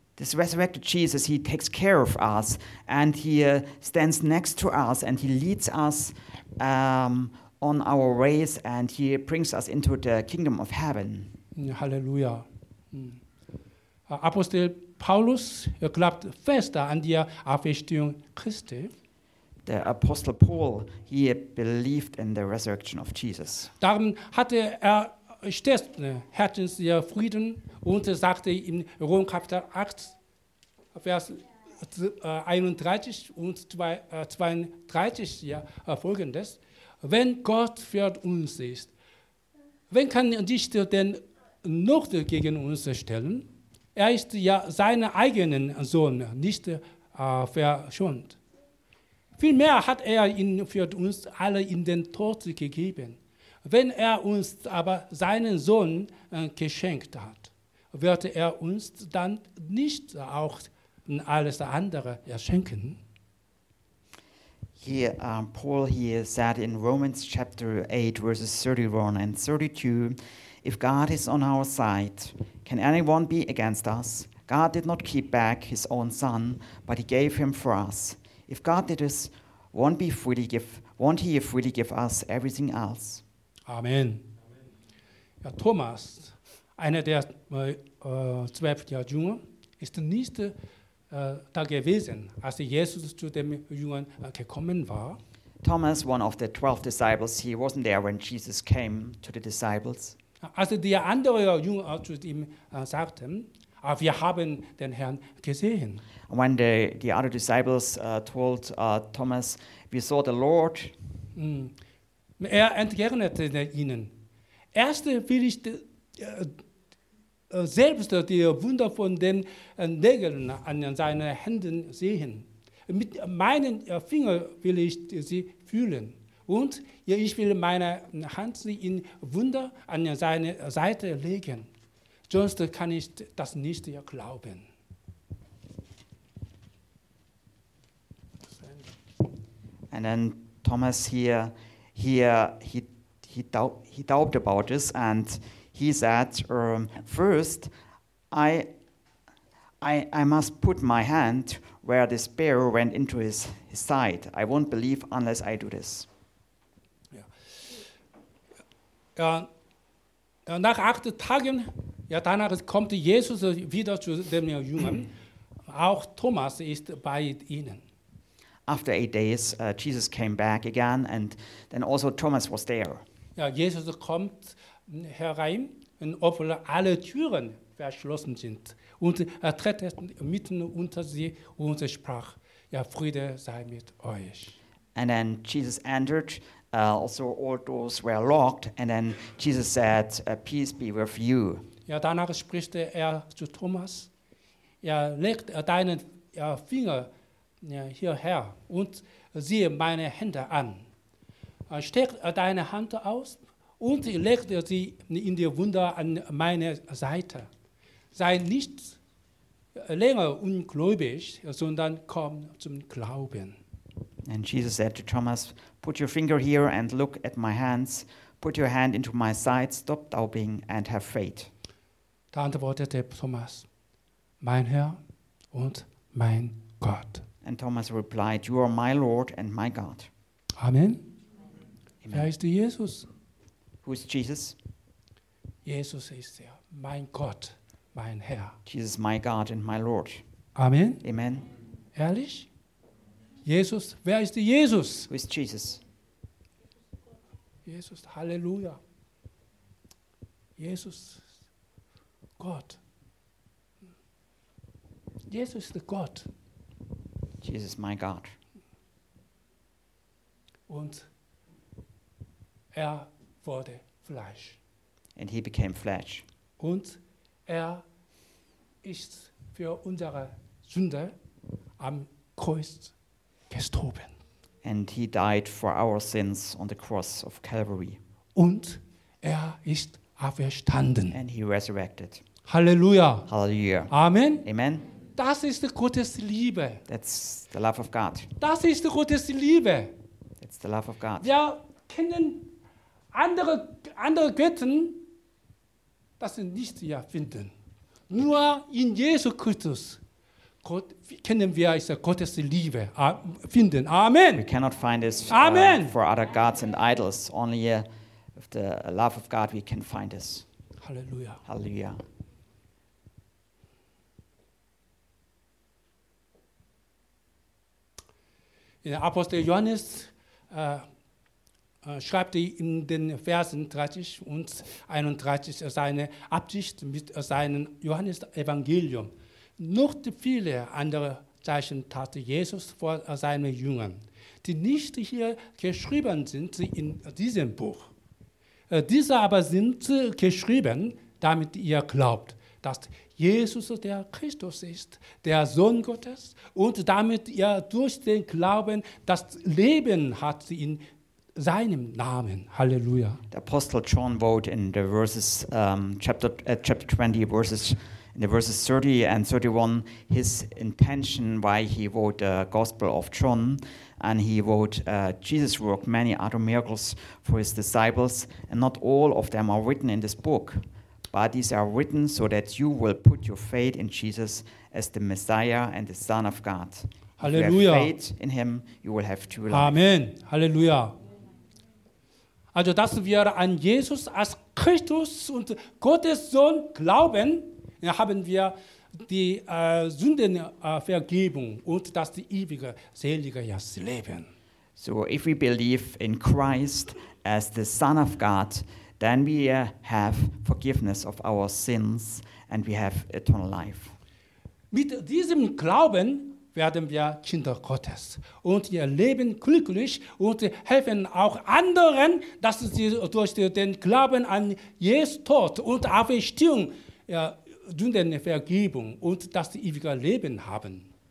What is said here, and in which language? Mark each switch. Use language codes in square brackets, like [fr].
[en] This resurrected Jesus, he takes care of us and he stands next to us and he leads us on our ways and he brings us into the kingdom of heaven. Halleluja. [de] Apostel Paulus glaubt fest an die Auferstehung Christi. [en] The Apostle Paul, he believed in the resurrection of Jesus. [de] Darum hatte stets Herzensfrieden und sagte in Rom Kapitel 8, Vers 31 und 32 folgendes: Wenn Gott für uns ist, wen kann dich denn noch gegen uns stellen? Er ist ja seinen eigenen Sohn nicht verschont. Vielmehr hat ihn für uns alle in den Tod gegeben. Wenn uns aber seinen Sohn geschenkt hat, wird uns dann nicht auch alles andere schenken? [en] Paul said in Romans chapter 8, verses 31 and 32, if God is on our side, can anyone be against us? God did not keep back his own son, but he gave him for us. If God did this, won't he freely give us everything else? Amen. [de] Ja, Thomas, einer der zwölf Jünger, ist nicht da gewesen, als Jesus zu dem Jüngern gekommen war. [en] Thomas, one of the 12 disciples, he wasn't there when Jesus came to the disciples. [de] Als die andere Jünger zu ihm sagten, wir haben den Herrn gesehen. [en] When the other disciples told Thomas, we saw the Lord. [de] Er entgegnete ihnen. Erst will ich selbst die Wunder von den Nägeln an seinen Händen sehen. Mit meinen Finger will ich sie fühlen. Und ich will meine Hand in Wunder an seine Seite legen. Sonst kann ich das nicht glauben. [en] And then Thomas he doubted about this, and he said, first, I must put my hand where the spear went into his side. I won't believe unless I do this. Yeah. [de] Nach 8 Tagen, ja, danach kommt Jesus wieder zu dem Jüngern. Auch Thomas ist bei ihnen. [en] After 8 days, Jesus came back again, and then also Thomas was there. [de] Ja, Jesus kommt herein, und obwohl alle Türen verschlossen sind, und er tritt mitten unter sie und sprach, ja, Friede sei mit euch. [en] And then Jesus entered, also all doors were locked, and then Jesus said, peace be with you. [de] Ja, danach spricht er zu Thomas, ja, leg deinen Finger hierher und siehe meine Hände an. Steck deine Hand aus und leg sie in die Wunde an meine Seite. Sei nicht länger ungläubig, sondern komm zum Glauben. [en] And Jesus said to Thomas, put your finger here and look at my hands. Put your hand into my side, stop doubting and have faith. [de] Da antwortete Thomas, mein Herr und mein Gott. [en] And Thomas replied, you are my Lord and my God. [de] Amen. Amen. Wer ist Jesus? [en] Who is Jesus? [de] Jesus ist der, mein Gott, mein Herr. [en] Jesus, my God and my Lord. Amen. Amen. [de] Ehrlich? Jesus, wer ist Jesus? [en] Who is Jesus? [de] Jesus, Halleluja. Jesus, Gott. Jesus ist Gott. [en] Jesus, my God. [de] Und er wurde Fleisch. [en] And he became flesh. [de] Und er ist für unsere Sünde am Kreuz gestorben. [en] And he died for our sins on the cross of Calvary. [de] Und er ist auferstanden. [en] And he resurrected. Halleluja. Halleluja. Amen. Amen. [de] Das ist Gottes Liebe. [en] That's the love of God. [de] Das ist Gottes Liebe. [en] That's the love of God. [de] Wir kennen andere Götter, das sie nicht finden. Nur in Jesus Christus können wir Gottes Liebe finden. Amen. [en] We cannot find this Amen. For other gods and idols. Only with the love of God we can find this. Halleluja. Halleluja. [de] Der Apostel Johannes schreibt in den Versen 30 und 31 seine Absicht mit seinem Johannes-Evangelium. Noch viele andere Zeichen tat Jesus vor seinen Jüngern, die nicht hier geschrieben sind in diesem Buch. Diese aber sind geschrieben, damit ihr glaubt, dass Jesus der Christus ist, der Sohn Gottes, und damit er durch den Glauben das Leben hat in seinem Namen. Halleluja. [en] The Apostle John wrote in the verses chapter 20, verses in the verses 30 and 31 his intention why he wrote the Gospel of John, and he wrote Jesus worked many other miracles for his disciples, and not all of them are written in this book. But these are written so that you will put your faith in Jesus as the Messiah and the Son of God. Halleluja. If you have faith in him, you will have true life. Amen. Halleluja. [de] Also, dass wir an Jesus als Christus und Gottes Sohn glauben, haben wir die Sündenvergebung und das ewige, selige Leben. [en] So if we believe in Christ as the Son of God, then we have forgiveness of our sins and we have eternal life. [de] Mit diesem Glauben werden wir Kinder Gottes und wir leben glücklich und helfen auch anderen, dass sie durch den Glauben an Jesus Tod und Auferstehung dünnen Vergebung und das ewige Leben haben.